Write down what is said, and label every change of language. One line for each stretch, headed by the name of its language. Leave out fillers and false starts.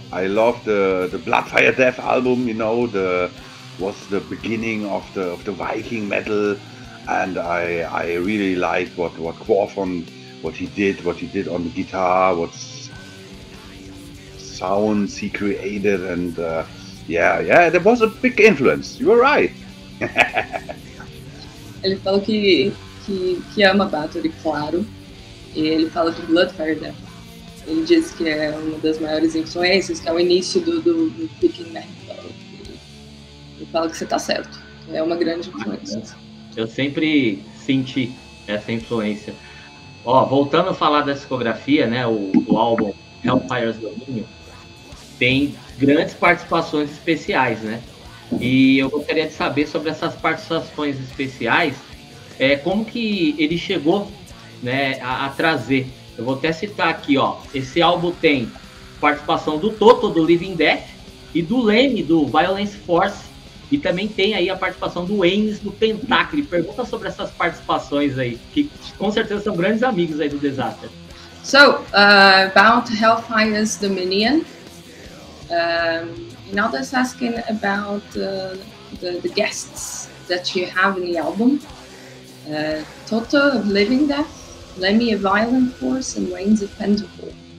English: I love the Bloodfire Death album, you know, was the beginning of the Viking metal, and I really like what Kvorfon, what he did on the guitar, what sounds he created, and yeah, there was a big influence. You were right.
Portuguese: Ele falou que ama Bathory, claro, e ele fala do Bloodfire Death. Ele diz que é uma das maiores influências, que é o início do picking metal. Ele fala que você tá certo. É uma grande influência. Eu sempre senti essa influência. Ó, voltando a falar da discografia, né, o álbum Hellfire's Dominion, tem grandes participações especiais, né? E eu gostaria de saber sobre essas participações especiais, como que ele chegou, né, a trazer. Eu vou até citar aqui, ó. Esse álbum tem participação do Toto, do Living Death, e do Leme, do Violence Force. E também tem aí a participação do Ennis, do Pentacle. Pergunta sobre essas participações aí, que com certeza são grandes amigos aí do Disaster.
English: So, about Hellfire's Dominion. Another is asking about the guests that you have in the album. Toto, of Living Death. Lemmy, a Violent Force, and Wayne's a Pentacle.